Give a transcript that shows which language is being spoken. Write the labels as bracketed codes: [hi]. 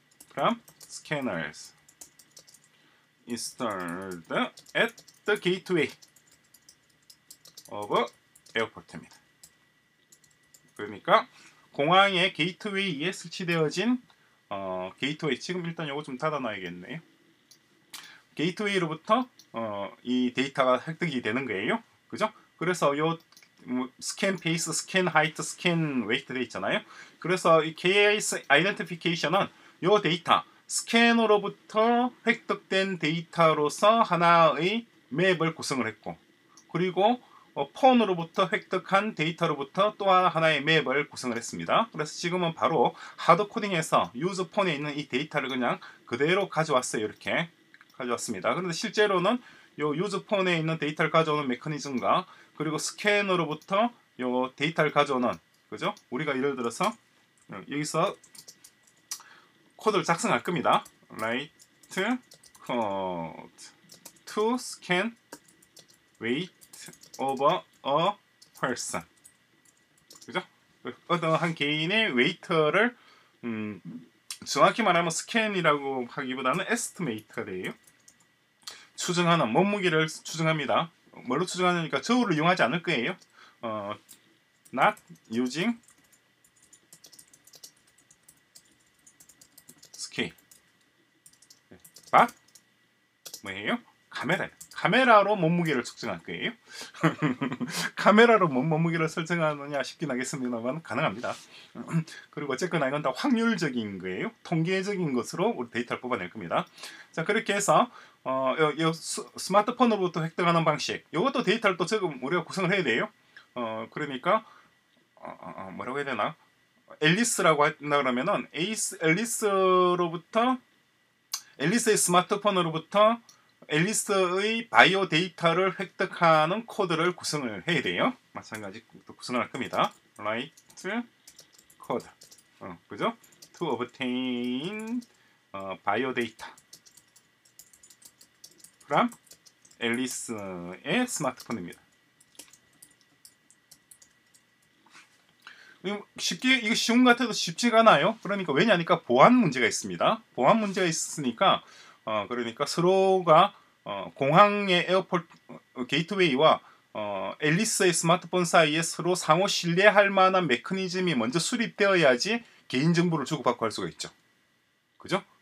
[en] From scanners installed at the gateway of airport입니다. [ko] 그러니까 공항의 게이트웨이에 설치되어진 게이트웨이, 지금 일단 요거 좀 닫아놔야겠네요. 게이트웨이로부터 이 데이터가 획득이 되는 거예요. 그죠? 그래서 요 스캔 페이스, 스캔 하이트, 스캔 웨이트 되어 있잖아요. 그래서 이 KIS 아이덴티피케이션은 요 데이터, 스캔으로부터 획득된 데이터로서 하나의 맵을 구성을 했고, 그리고 폰으로부터 획득한 데이터로부터 또 하나의 맵을 구성을 했습니다. 그래서 지금은 바로 하드코딩해서 유저 폰에 있는 이 데이터를 그냥 그대로 가져왔어요. 이렇게 가져왔습니다. 그런데 실제로는 요 유저 폰에 있는 데이터를 가져오는 메커니즘과 그리고 스캔으로부터 요 데이터를 가져오는, 그죠? 우리가 예를 들어서 여기서 코드를 작성할 겁니다. [en] Write code to scan weight over a person. [ko] 그죠? 어떤 한 개인의 웨이터를, 정확히 말하면 스캔이라고 하기보다는 estimate가 돼요. 추정하는, 몸무게를 추정합니다. 뭘로 추정하니까 저울을 이용하지 않을 거예요. [en] Not using scale, but [ko] 뭐예요? 카메라. 카메라로 몸무게를 측정할 거예요. 카메라로 뭔 몸무게를 설정하느냐 싶긴 하겠습니다만 가능합니다. 그리고 어쨌거나 이건 다 확률적인 거예요. 통계적인 것으로 우리 데이터를 뽑아낼 겁니다. 자, 그렇게 해서 스마트폰으로부터 획득하는 방식, 이것도 데이터를 또 지금 우리가 구성을 해야 돼요. 그러니까 뭐라고 해야 되나, 앨리스라고 한다 그러면은 앨리스로부터, 앨리스의 스마트폰으로부터 앨리스의 바이오 데이터를 획득하는 코드를 구성을 해야 돼요. 마찬가지 또 구성할 겁니다. [en] Write code, [ko] 그죠? [en] To obtain bio data from [ko] 앨리스의 스마트폰입니다. 쉽게, 이거 쉬운 것 같아도 쉽지가 않아요. 그러니까 왜냐니까 보안 문제가 있습니다. 보안 문제가 있으니까, 그러니까 서로가 공항의 에어포트 게이트웨이와 앨리스의 스마트폰 사이에 서로 상호 신뢰할 만한 메커니즘이 먼저 수립되어야지 개인정보를 주고받고 할 수가 있죠. 그죠?